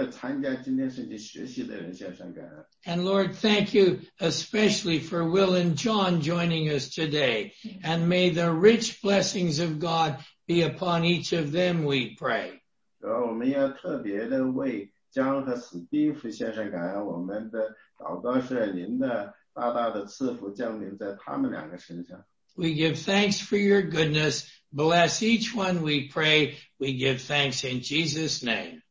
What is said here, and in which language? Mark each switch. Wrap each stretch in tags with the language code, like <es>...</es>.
<zh>感谢，我们为今天献上感恩，也为每一个参加今天圣经学习的人献上感恩。</zh> <en>And Lord, thank you especially for Will and John joining us today. And may the rich blessings of God be upon each of them, we pray.</en> <zh>主要我们要特别的为江和史蒂夫先生感恩，我们的祷告是您的大大的赐福降临在他们两个身上。</zh> <en>We give thanks for your goodness. Bless each one, we pray. We give thanks in Jesus' name.</en>